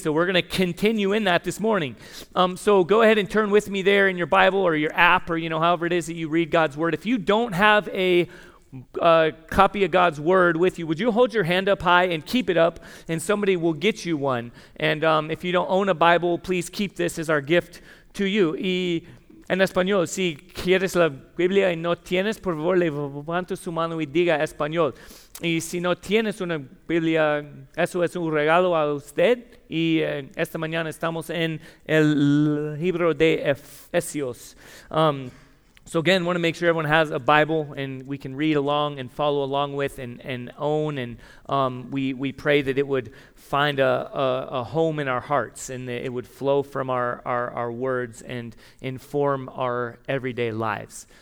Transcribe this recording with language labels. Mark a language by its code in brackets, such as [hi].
[en] So we're going to continue in that this morning. So go ahead and turn with me there in your Bible or your app or, you know, however it is that you read God's Word. If you don't have a copy of God's Word with you, would you hold your hand up high and keep it up, and somebody will get you one. And if you don't own a Bible, please keep this as our gift to you. [es] Y en español, si quieres la Biblia y no tienes, por favor, levanta su mano y diga español. Y si no tienes una Biblia, eso es un regalo a usted. Y esta mañana estamos en el libro de Efesios. [en] So again, want to make sure everyone has a Bible and we can read along and follow along with and own. And we pray that it would find a home in our hearts and that it would flow from our words and inform our everyday lives.